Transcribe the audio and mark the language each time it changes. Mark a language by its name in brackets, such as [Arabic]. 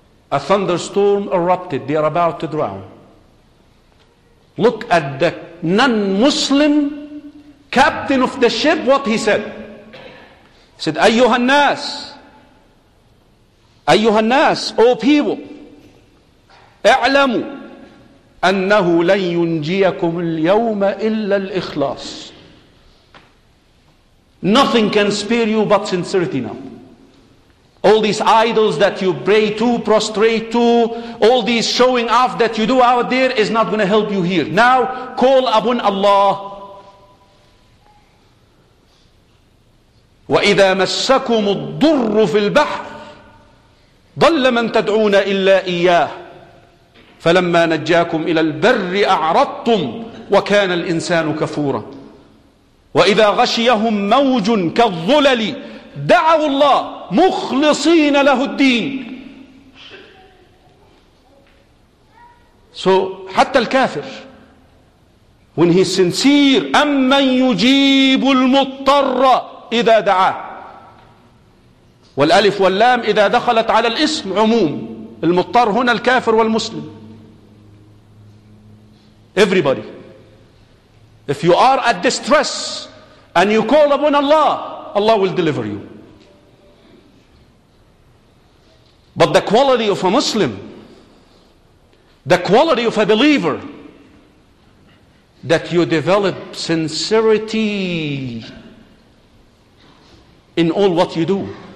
[English] A thunderstorm erupted, they are about to drown. Look at the non-Muslim captain of the ship, what he said. He said, [Arabic] Ayyuhan nas, Ayyuhan nas, [English] O people, [Arabic] اعلموا أنه لن ينجيكم اليوم إلا الإخلاص. [English] Nothing can spare you but sincerity now. All these idols that you pray to, prostrate to, all these showing off that you do out there is not going to help you here. Now, call upon Allah. [Arabic] وَإِذَا مَسَّكُمُ الضُّرُّ فِي الْبَحْرِ ضَلَّ مَنْ تَدْعُونَ إِلَّا إِيَّاهِ فَلَمَّا نَجَّاكُمْ إِلَى الْبَرِّ أَعْرَضْتُمْ وَكَانَ الْإِنسَانُ كَفُورًا وَإِذَا غَشِيَهُمْ مَوْجٌ كَالظُّلَلِ دعوا الله مخلصين له الدين. [English] So, [Arabic] حتى الكافر, [English] when he's sincere, [Arabic] أَمَّنْ يُجِيبُ الْمُضْطَرَّ إِذَا دَعَى. والألف واللام إذا دخلت على الاسم عموم, المضطر هنا الكافر والمسلم. [English] Everybody, if you are at distress and you call upon Allah, Allah will deliver you. But the quality of a Muslim, the quality of a believer, that you develop sincerity in all what you do.